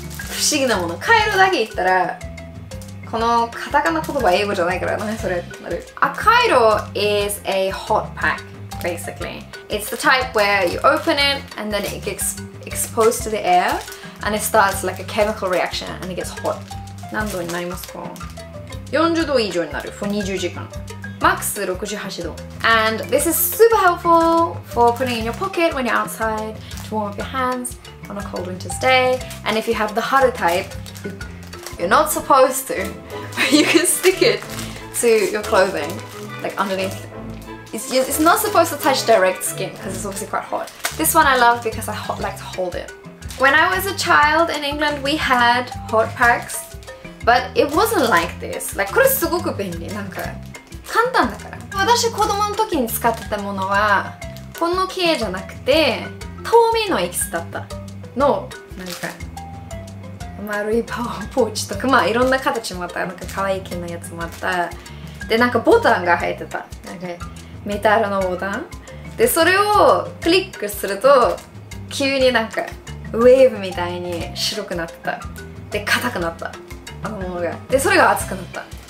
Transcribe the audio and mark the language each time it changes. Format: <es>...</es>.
<ja>不思議なもの。カエロだけ言ったら、このカタカナ言葉英語じゃないからね、それってなる。</ja> <en>A kairo is a hot pack, basically. It's the type where you open it and then it gets exposed to the air and it starts like a chemical reaction and it gets hot.</en> <ja>何度になりますか?40度以上になる。 for 20時間。max 68度。</ja> <en>And this is super helpful for putting in your pocket when you're outside to warm up your hands. On a cold winter's day, and if you have the haru type, you're not supposed to, but you can stick it to your clothing, like underneath. It's not supposed to touch direct skin because it's obviously quite hot. This one I love because I like to hold it. When I was a child in England, we had hot packs, but it wasn't like this.</en> <ja>Like, これすごく便利なんか簡単だから。私子供の時に使ってたものはこの系じゃなくて透明のエキスだった。の、なんか丸いパワーポーチとかまあいろんな形もあったなんか可愛い系のやつもあったでなんかボタンが入ってたなんかメタルのボタンでそれをクリックすると急になんかウェーブみたいに白くなってたで硬くなったあのものがでそれが熱くなった</ja>